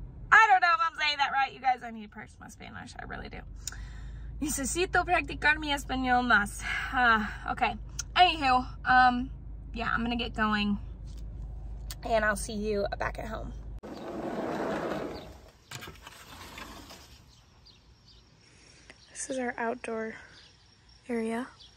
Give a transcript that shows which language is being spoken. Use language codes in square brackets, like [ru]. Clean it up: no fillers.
[en] I don't know if I'm saying that right. You guys, I need to practice my Spanish. I really do. [es] Necesito practicar mi español más. [en] Okay. Anywho, yeah, I'm gonna get going and I'll see you back at home. This is our outdoor area.